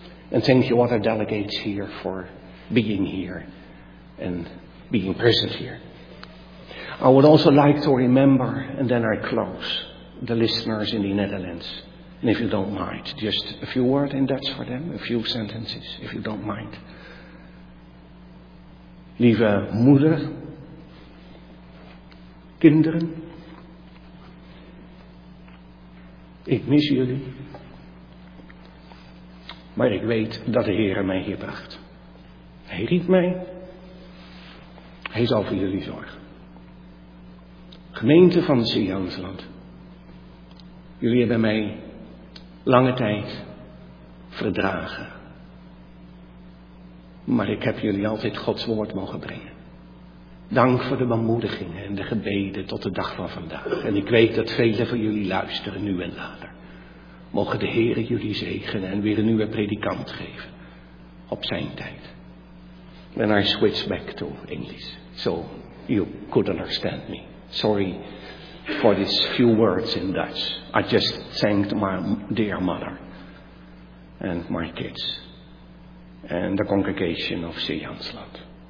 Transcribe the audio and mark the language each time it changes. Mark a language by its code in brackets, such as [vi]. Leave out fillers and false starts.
[en] And thank you, other delegates here, for being here and being present here. I would also like to remember, and then I close, the listeners in the Netherlands. And if you don't mind, just a few words in Dutch for them, a few sentences, if you don't mind. [nl] Lieve moeder, kinderen, ik mis jullie, maar ik weet dat de Heere mij hier bracht. Hij riep mij, hij zal voor jullie zorgen. Gemeente van Zeelandsland, jullie hebben mij lange tijd verdragen, maar ik heb jullie altijd Gods woord mogen brengen. Dank voor de bemoedigingen en de gebeden tot de dag van vandaag. En ik weet dat velen van jullie luisteren nu en later. Mogen de Heere jullie zegenen en weer een nieuwe predikant geven op zijn tijd. [en] When I switch back to English, so you could understand me. Sorry for these few words in Dutch. I just thanked my dear mother and my kids and the congregation of Zeelandsland.